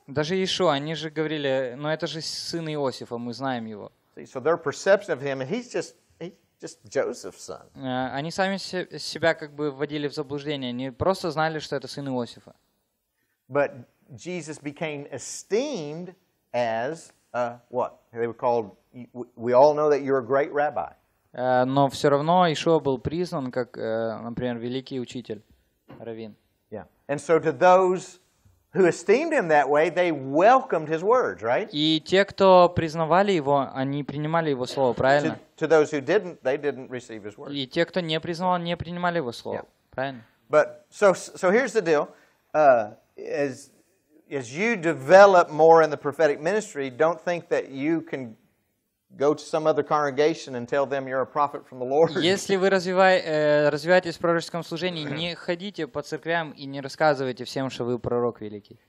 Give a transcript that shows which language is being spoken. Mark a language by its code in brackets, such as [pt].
[ru] Даже Иешуа, они же говорили, но это же сын Иосифа, мы знаем его. [en] So their perception of him, he's just Joseph's son. [ru] Они сами себя как бы вводили в заблуждение. Они просто знали, что это сын Иосифа. [en] But Jesus became esteemed as what? They were called, we all know that you're a great rabbi. [ru] Но все равно Иешуа был признан как, например, великий учитель. Равин. [en] Yeah. And so to those who esteemed him that way, they welcomed his words, right? [ru] И те, кто признавали его, они принимали его слово, правильно? [en] To those who didn't, they didn't receive his words. [ru] И те, кто не признавал, не принимали его слово, правильно? [en] But so here's the deal. As you develop more in the prophetic ministry, don't think that you can go to some other congregation and tell them you're a prophet from the Lord. [ru] Если вы развиваетесь в пророческом служении, не ходите по церквям и не рассказывайте всем, что вы пророк великий.